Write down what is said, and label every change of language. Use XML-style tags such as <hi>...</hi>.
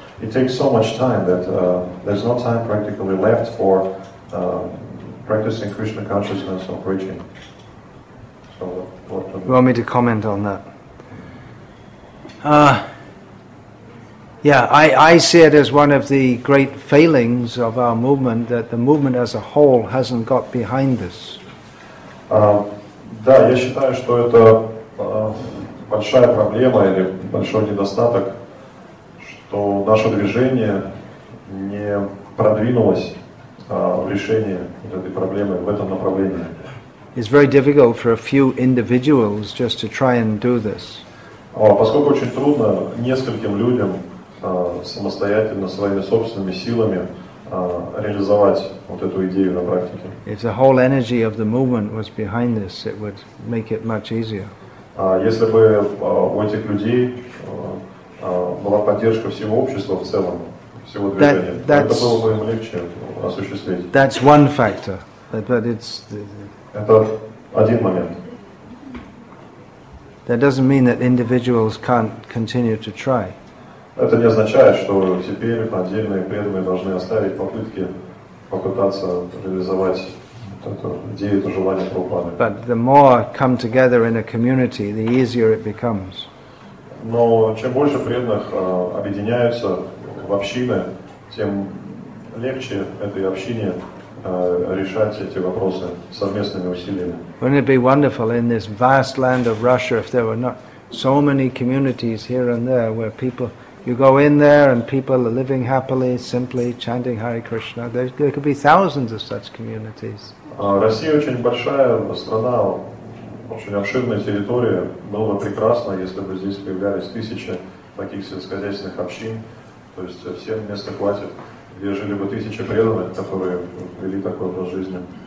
<en>It takes so much time that there's no time practically left for practicing Krishna consciousness or preaching. So, you want me to comment on that? Yeah, I see it as one of the great failings of our movement, that the movement as a whole hasn't got behind this.</en> <ru>Да, я считаю, что это большая проблема или большой недостаток, что наше движение не продвинулось в решении этой проблемы в этом направлении.</ru> <en>It's very difficult for a few individuals just to try and do this.</en> <ru>Поскольку очень трудно нескольким людям самостоятельно своими собственными силами реализовать вот эту идею на практике.</ru> <en>If the whole energy of the movement was behind this, it would make it much easier.</en> <ru>Если бы у этих людей была поддержка всего общества в целом, всего движения, то это было бы им легче осуществить.</ru> <en>That's one factor, but it's.</en> <ru>Это один момент.</ru> <en>That doesn't mean that individuals can't continue to try.</en> <ru>Это не означает, что теперь отдельные преданные должны оставить попытки попытаться реализовать эту идею, это желание Прабхупады.</ru> <en>But the more come together in a community, the easier it becomes.</en> <ru>Но чем больше преданных объединяются в общины, тем легче этой общине решать эти вопросы совместными усилиями.</ru> <en>Wouldn't it be wonderful in this vast land of Russia if there were not so many communities here and there where people, you go in there and people are living happily, simply chanting Hare Krishna. There could be thousands of such communities.</en> <ru>Россия очень большая страна, очень обширная территория. Было бы прекрасно, если бы здесь появлялись тысячи таких сельскохозяйственных общин. То есть всем места хватит, где жили бы тысячи преданных, которые вели такой образ жизни.</ru>